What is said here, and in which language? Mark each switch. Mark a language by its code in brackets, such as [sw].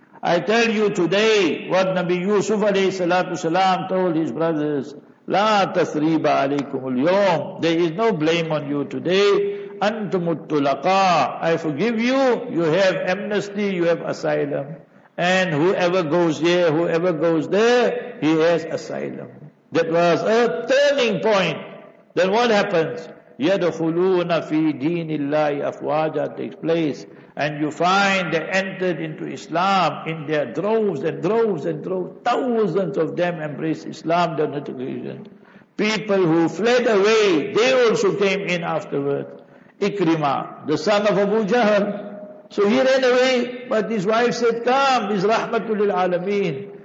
[en] I tell you today what Nabi Yusuf alayhi salatu salam told his brothers, [ar] لا تثريب عليكم اليوم. [en] There is no blame on you today. [ar] أنتم الطلقاء. [en] I forgive you. You have amnesty. You have asylum. And whoever goes here, whoever goes there, he has asylum. That was a turning point. Then what happens? [ar] يدخلون في دين الله أفواجا [en] takes place. And you find they entered into Islam in their droves and droves and droves. Thousands of them embraced Islam, the notification. People who fled away, they also came in afterward. Ikrima, the son of Abu Jahl. So he ran away, but his wife said, come, is rahmatulil alameen.